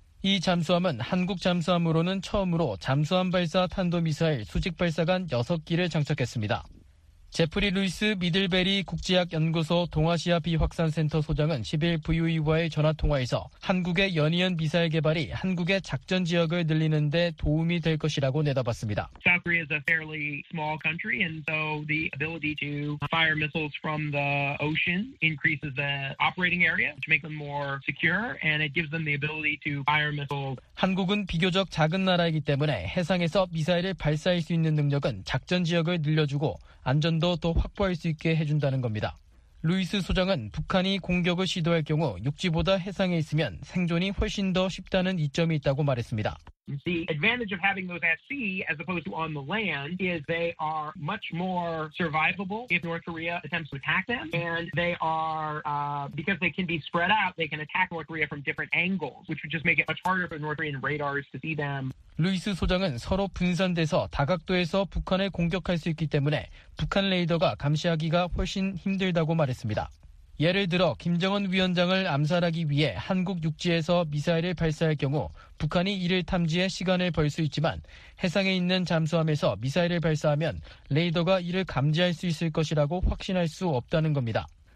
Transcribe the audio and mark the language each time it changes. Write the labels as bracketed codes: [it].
[ko] 이 잠수함은 한국 잠수함으로는 처음으로 잠수함 발사 탄도미사일 수직 발사관 6기를 장착했습니다. 제프리 루이스 미들베리 국제학연구소 동아시아 비확산센터 소장은 10일 VOE와의 전화통화에서 한국의 연이은 미사일 개발이 한국의 작전 지역을 늘리는 데 도움이 될 것이라고 내다봤습니다. [en] South Korea is a fairly small country and so the ability to fire missiles from the ocean increases the operating area to make them more secure and it gives them the ability to fire missiles. [ko] 한국은 비교적 작은 나라이기 때문에 해상에서 미사일을 발사할 수 있는 능력은 작전 지역을 늘려주고 안전도 더 확보할 수 있게 해준다는 겁니다. 루이스 소장은 북한이 공격을 시도할 경우 육지보다 해상에 있으면 생존이 훨씬 더 쉽다는 이점이 있다고 말했습니다. [en] The advantage of having those at sea as opposed to on the land is they are much more survivable if North Korea attempts to attack them. And they are, because they can be spread out, they can attack North Korea from different angles, which would just make it much harder for North Korean radars to see them. [ko] 루이스 소장은 서로 분산돼서 다각도에서 북한을 공격할 수 있기 때문에 북한 레이더가 감시하기가 훨씬 힘들다고 말했습니다. 예를 들어 김정은 위원장을 암살하기 위해 한국 육지에서 미사일을 발사할 경우 북한이 이를 탐지해 시간을 벌 수 있지만 해상에 있는 잠수함에서 미사일을 발사하면 레이더가 이를 감지할 수 있을 것이라고 확신할 수 없다는 겁니다.